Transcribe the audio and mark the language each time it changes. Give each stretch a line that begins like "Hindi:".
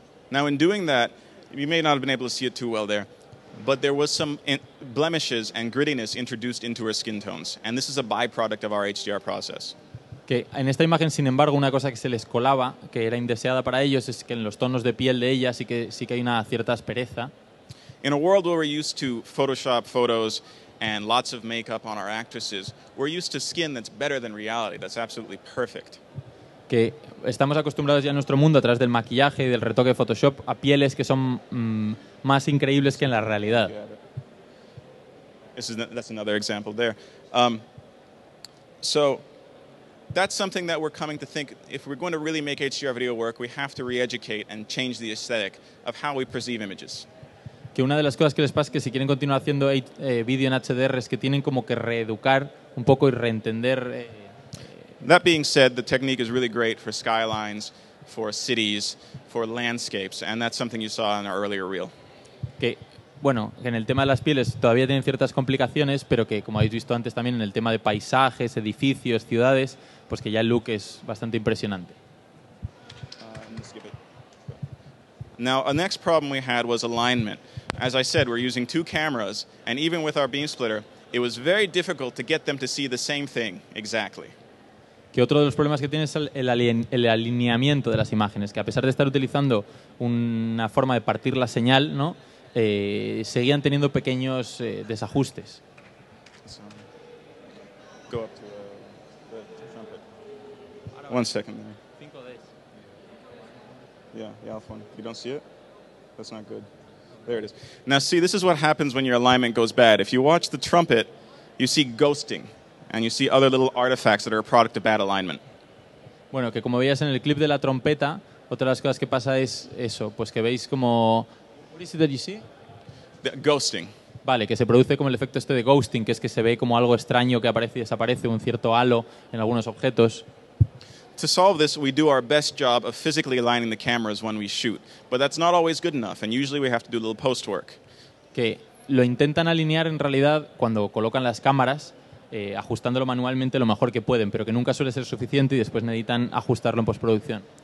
English: Now in doing that, you may not have been able to see it too well there, but there was some blemishes and grittiness introduced into her skin tones, and this is a byproduct of our HDR process.
Spanish: Que en esta imagen, sin embargo, una cosa que se les colaba, que era indeseada para ellos, es que en los tonos de piel de ella sí que hay una cierta aspereza.
English: In a world where we're used to Photoshop photos and lots of makeup on our actresses, we're used to skin that's better than reality, that's absolutely perfect.
Spanish: Que estamos acostumbrados ya en nuestro mundo, a través del maquillaje y del retoque de Photoshop, a pieles que son más increíbles que en la realidad.
English: That's another example there. So that's something that we're coming to think, if we're going to really make HDR video work, we have to re-educate and change the aesthetic of how we perceive images.
Spanish: Que una de las cosas que les pasa es que si quieren continuar haciendo vídeo en HDR es que tienen como que reeducar un poco y reentender.
English: That being said, the technique is really great for skylines, for cities, for landscapes, and that's something you saw in our earlier reel.
Spanish: Que, bueno, en el tema de las pieles todavía tienen ciertas complicaciones, pero que, como habéis visto antes también, en el tema de paisajes, edificios, ciudades, pues que ya el look es bastante impresionante.
English: Now, the next problem we had was alignment. As I said, we're using two cameras, and even with our beam splitter, it was very difficult to get them to see the same thing exactly.
Spanish: Que otro de los problemas que tiene es el alineamiento de las imágenes, que a pesar de estar utilizando una forma de partir la señal, ¿no? Seguían teniendo pequeños desajustes.
English: So, go up to the trumpet. One second.
Spanish: Cinco de esos.
English: Yeah, the alpha one. You don't see it? That's not good. There it is. Now see, this is what happens when your alignment goes bad. If you watch the trumpet, you see ghosting. And you see other little artifacts that are a product of bad alignment.
Spanish: Bueno, que como veías en el clip de la trompeta, otra de las cosas que pasa es eso, pues que veis como...
English: What is it that you see? The ghosting.
Spanish: Vale, que se produce como el efecto este de ghosting, que es que se ve como algo extraño que aparece y desaparece, un cierto halo en algunos objetos.
English: To solve this, we do our best job of physically aligning the cameras when we shoot. But that's not always good enough, and usually we have to do a little post-work.
Spanish: Que lo intentan alinear en realidad cuando colocan las cámaras, ajustándolo manualmente lo mejor que pueden, pero que nunca suele ser suficiente y después necesitan ajustarlo en postproducción.